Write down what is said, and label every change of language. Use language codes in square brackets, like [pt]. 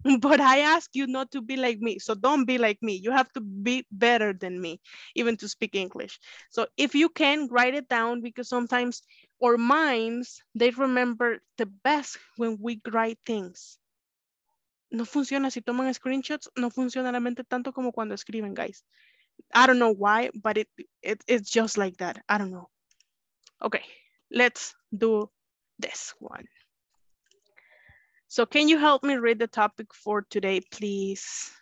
[en] But I ask you not to be like me. So don't be like me. You have to be better than me, even to speak English. So if you can, write it down, because sometimes our minds, they remember the best when we write things. [es] No funciona si toman screenshots. No funciona la mente tanto como cuando escriben, guys. [en] I don't know why, but it's just like that. I don't know. Okay, let's do this one. So can you help me read the topic for today, please?